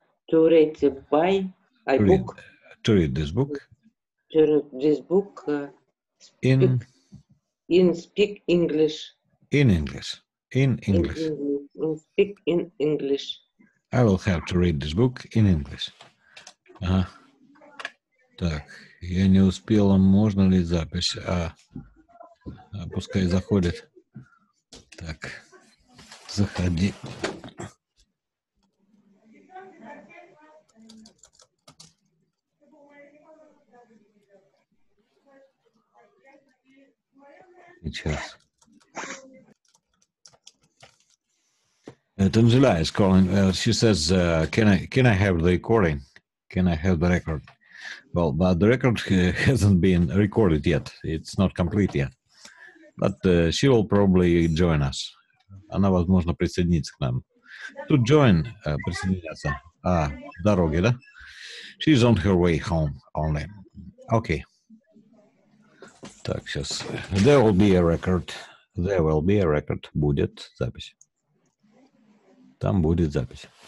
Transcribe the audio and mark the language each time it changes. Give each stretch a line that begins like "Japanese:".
English: To read by... iBook. To read this book. To read this book. Speak English. In English. In English. In speak in English. I will have to read this book in English.
Russian: Так, я не успел, можно ли запись? Пускай заходит. Так, заходи. Сейчас.
English: Танжела is calling. She says, can I have the recording? Can I have the record? Well, but the record hasn't been recorded yet. It's not complete yet. But she will probably join us.
Russian: Она, возможно, присоединится к нам.
English: To join,
Russian: присоединяться. Дороги, да?
English: She's on her way home only. Okay.
Russian: Так, сейчас.
English: There will be a record. There will be a record.
Russian: Будет запись. Там будет запись.